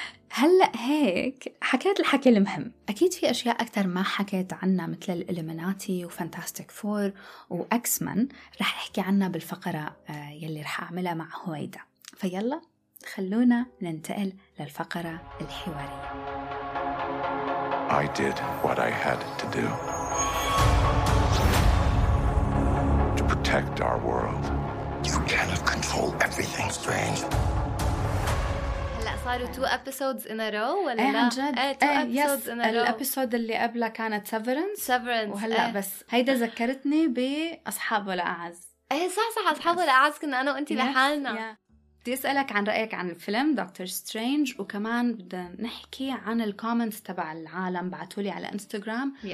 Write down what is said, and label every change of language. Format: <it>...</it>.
<ar>هلأ هيك حكيت الحكي المهم، أكيد في أشياء أكتر ما حكيت عنها مثل الإليميناتي وفانتاستيك فور وأكس من، رح أحكي عنها بالفقرة يلي رح أعملها مع هويدا. فيلا خلونا ننتقل للفقرة الحوارية.</ar> <en>I did what I had to do to protect our world. You cannot control everything, Strange.</en> <ar>صاروا</ar> <en>2 episodes in a row</en> <ar>ولا ايه لا؟ عن جد؟ ايه</ar> <en>2 episodes in a row.</en> <ar>الابيسود اللي قبلها كانت Severance وهلا ايه. بس هيدا ذكرتني بأصحابه لأعز. ايه صح أصحابه لأعز كنا أنا وأنتي لحالنا. بدي أسألك عن رأيك عن الفيلم دكتور سترينج، وكمان بدنا نحكي عن الكومنتس تبع العالم بعتولي على انستغرام.</ar>